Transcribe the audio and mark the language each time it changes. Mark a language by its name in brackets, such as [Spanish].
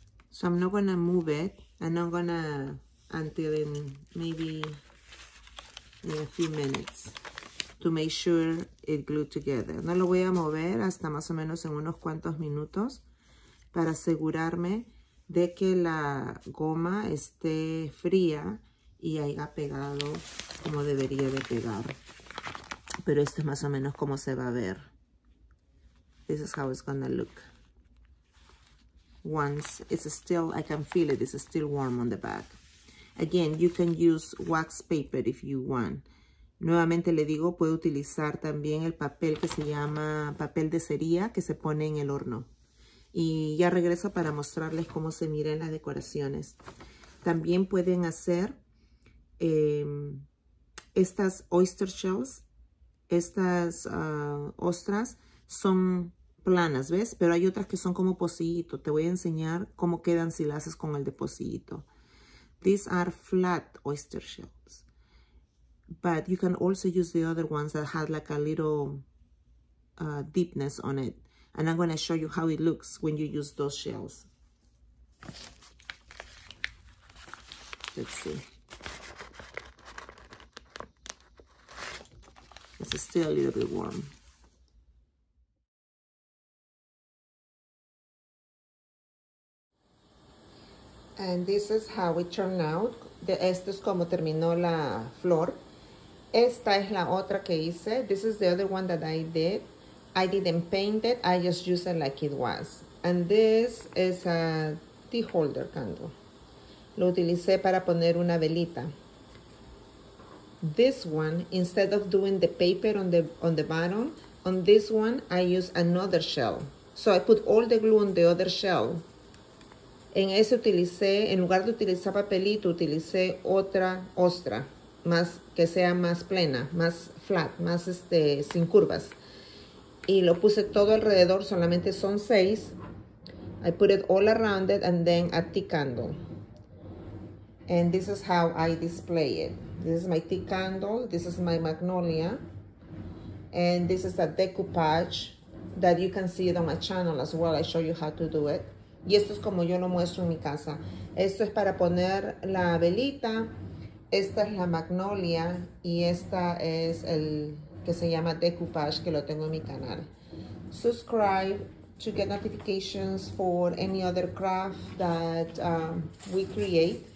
[English] So I'm not gonna move it, and I'm gonna until in maybe in a few minutes. To make sure it glued together. [Spanish] No lo voy a mover hasta más o menos en unos cuantos minutos para asegurarme de que la goma esté fría y haya pegado como debería de pegar. Pero esto es más o menos como se va a ver. [English] This is how it's gonna look. Once it's still, I can feel it, it's still warm on the back. Again, you can use wax paper if you want. [Spanish] Nuevamente le digo, puede utilizar también el papel que se llama papel de cerilla que se pone en el horno. Y ya regreso para mostrarles cómo se miran las decoraciones. También pueden hacer estas oyster shells. Estas ostras son planas, ¿ves? Pero hay otras que son como pocillito. Te voy a enseñar cómo quedan si las haces con el de pocillito. [English] These are flat oyster shells. But you can also use the other ones that have like a little deepness on it. And I'm going to show you how it looks when you use those shells. Let's see. It's still a little bit warm. And this is how it turned out. [Spanish] Esto es como terminó la flor. Esta es la otra que hice. [English] This is the other one that I did. I didn't paint it, I just used it like it was. And this is a tea holder candle. [Spanish] Lo utilicé para poner una velita. [English] This one, instead of doing the paper on the bottom, on this one, I use another shell. So I put all the glue on the other shell. [Spanish] En ese utilicé, en lugar de utilizar papelito, utilicé otra ostra, más que sea más plena, más flat, más sin curvas. Y lo puse todo alrededor, solamente son 6. [English] I put it all around it and then a tea candle. And this is how I display it. This is my tea candle, this is my magnolia. And this is a decoupage that you can see it on my channel as well. I show you how to do it. [Spanish] Y esto es como yo lo muestro en mi casa. Esto es para poner la velita. Esta es la magnolia y esta es el que se llama Decoupage, que lo tengo en mi canal. [English] Subscribe to get notifications for any other craft that we create.